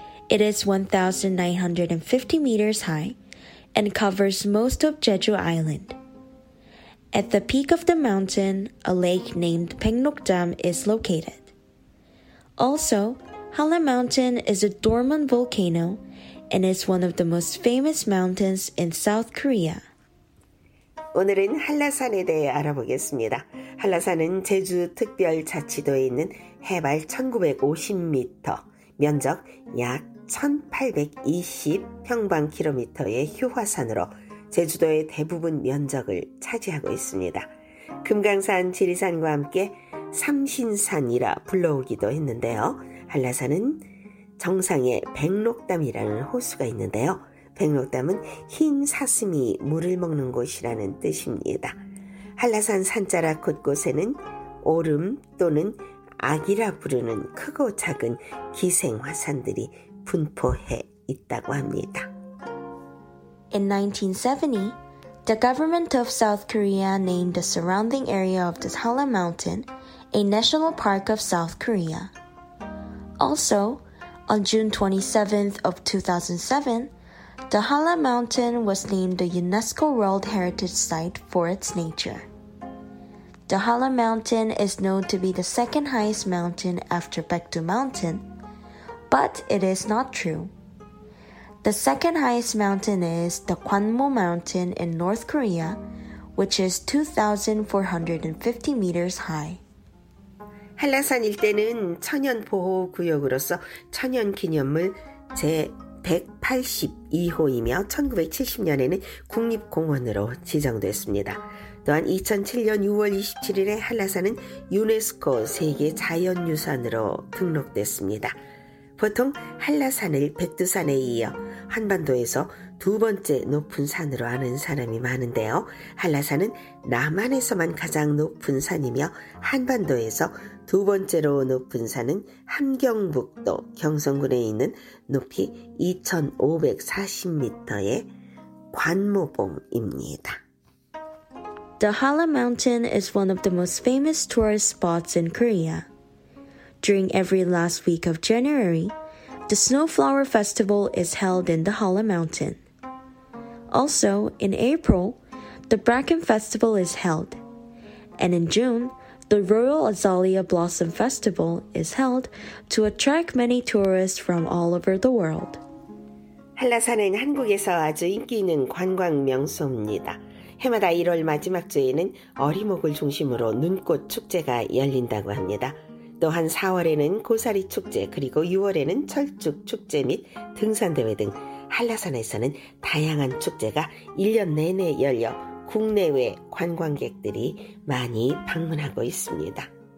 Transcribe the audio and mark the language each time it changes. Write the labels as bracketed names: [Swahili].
[English] It is 1,950 meters high and covers most of Jeju Island. At the peak of the mountain, a lake named Paengnokdam is located. Also, Hala Mountain is a dormant volcano and is one of the most famous mountains in South Korea. [Korean] 오늘은 한라산에 대해 알아보겠습니다. 한라산은 제주 특별자치도에 있는 해발 1950m, 면적 약 1820평방킬로미터의 휴화산으로 제주도의 대부분 면적을 차지하고 있습니다. 금강산, 지리산과 함께 삼신산이라 불러오기도 했는데요. 한라산은 정상에 백록담이라는 호수가 있는데요. 백록담은 흰 사슴이 물을 먹는 곳이라는 뜻입니다. 한라산 산자락 곳곳에는 오름 또는 악이라 부르는 크고 작은 기생화산들이 분포해 있다고 합니다. [English] In 1970, the government of South Korea named the surrounding area of the Hala Mountain a National Park of South Korea. Also, on June 27th of 2007, the Hala Mountain was named a UNESCO World Heritage Site for its nature. The Hala Mountain is known to be the second highest mountain after Baekdu Mountain, but it is not true. The second highest mountain is the Gwangmo Mountain in North Korea, which is 2,450 meters high. [Korean] 한라산 일대는 천연보호구역으로서 천연기념물 제182호이며 1970년에는 국립공원으로 지정됐습니다. 또한 2007년 6월 27일에 한라산은 유네스코 세계자연유산으로 등록됐습니다. 보통 한라산을 백두산에 이어 한반도에서 두 번째 높은 산으로 아는 사람이 많은데요. 한라산은 남한에서만 가장 높은 산이며 한반도에서 두 번째로 높은 산은 함경북도 경성군에 있는 높이 2,540m의 관모봉입니다. [English] The Hala Mountain is one of the most famous tourist spots in Korea. During every last week of January, the Snowflower Festival is held in the Hala Mountain. Also, in April, the Bracken Festival is held. And in June, the Royal Azalea Blossom Festival is held to attract many tourists from all over the world. [Korean] 한라산은 한국에서 아주 인기 있는 관광 명소입니다. 해마다 1월 마지막 주에는 어리목을 중심으로 눈꽃 축제가 열린다고 합니다. 또한 4월에는 고사리 축제, 그리고 6월에는 철쭉 축제 및 등산대회 등 한라산에서는 다양한 축제가 1년 내내 열려 국내외 관광객들이 많이 방문하고 있습니다.